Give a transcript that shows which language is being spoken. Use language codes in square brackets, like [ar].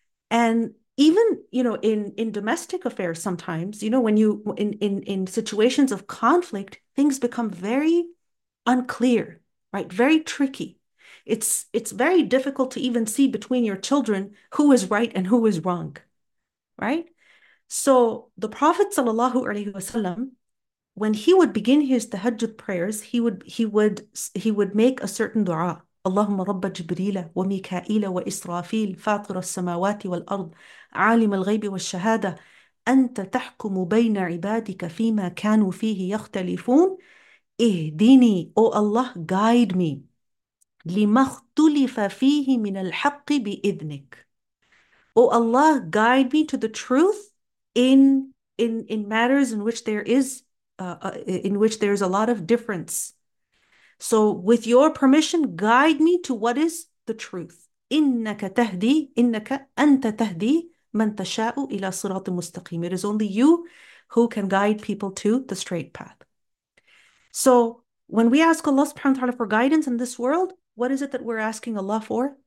[en] And even, you know, in domestic affairs sometimes, you know, when you in situations of conflict, things become very unclear, right? Very tricky. It's very difficult to even see between your children who is right and who is wrong, right? So the Prophet sallallahu alaihi wasallam, when he would begin his tahajjud prayers, he would make a certain dua. [ar] اللهم رب جبريل وميكائيل وإسرافيل فاطر السماوات والأرض عالم الغيب والشهادة أنت تحكم بين عبادك فيما كانوا فيه يختلفون اهدني أو الله [en] guide me [ar] لما اختلف فيه من الحق بإذنك أو الله [en] guide me to the truth in matters in which there is in which there is a lot of difference. So with your permission, guide me to what is the truth. [ar] إِنَّكَ تَهْدِي إِنَّكَ أَنْتَ تَهْدِي مَنْ تَشَاءُ إِلَى صِرَاطِ مُسْتَقِيمِ. [en] It is only you who can guide people to the straight path. So when we ask Allah subhanahu wa ta'ala for guidance in this world, what is it that we're asking Allah for?